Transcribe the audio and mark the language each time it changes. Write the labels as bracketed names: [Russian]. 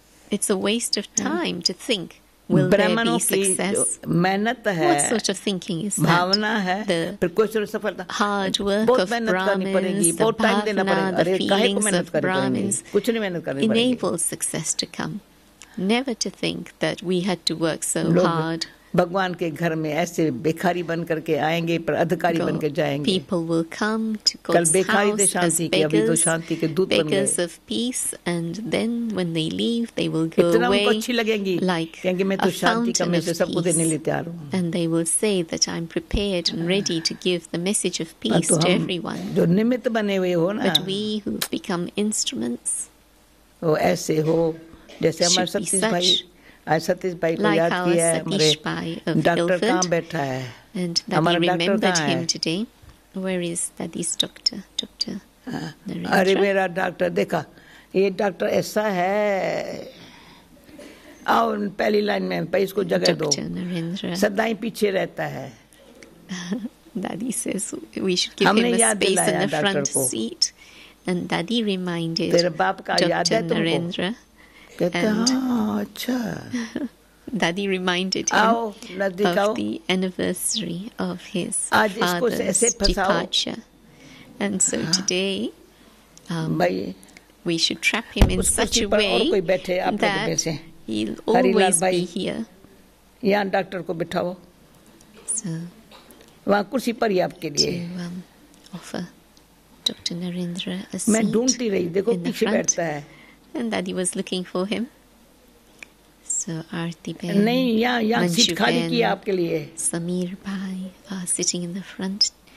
[English] it's a waste of time to think. Will there be success? What sort of thinking is that? The hard work of Brahmins, the feelings of Brahmins enable success to come. Never to think that we had to work so hard. [Hindi] भगवान के घर में ऐसे भिखारी बन करके आएंगे पर अधिकारी बन के जाएंगे. [English] People will come to God's house. [Hindi] कल भिखारी थे शांति के, अभी तो शांति के दूत बन गए. [English] Beggars of peace, and then when they leave, they will go away. [Hindi] इतना उनको अच्छी लगेंगी. [English] Like [Hindi] कहेंगे मैं तो शांति का मैसेज सबको देने लिए तैयार हूँ. [English] And they will say that I'm prepared and ready to give the message of peace to everyone. [Hindi] जो निमित्त बने हुए हो ना. [English] But we who become instruments. [Hindi] वो ऐसे हो जैसे हमारे सतीश भाई. आज सतीश भाई को याद किया है. हमारे डॉक्टर कहाँ बैठा है? हमारा डॉक्टर कहाँ है? [English] Where is that this doctor? Doctor. [Hindi] अरे मेरा डॉक्टर, देखा ये डॉक्टर ऐसा है. आओ पहली लाइन में, पहले इसको जगह दो. सदाई पीछे रहता है. [English] Daddy says we should give him a space in the front seat. And Daddy reminded [Hindi] तेरे बाप का याद है तुमको? Narendra. [English] Daddy reminded him of the anniversary of his father's departure. And so today, we should trap him in such a way that he'll always be here. [Hindi] यहाँ doctor को बिठाओ. वहाँ कुर्सी पर ही आपके लिए. [English] Offer Dr. Narendra a seat. [Hindi] मैं ढूंढती रही, देखो पीछे बैठता है. [English] And Daddy was looking for him. So Aarti Ben, [Hindi] नहीं यहाँ सीट खाली की आपके लिए. [English] Samir Bhai are sitting in the front.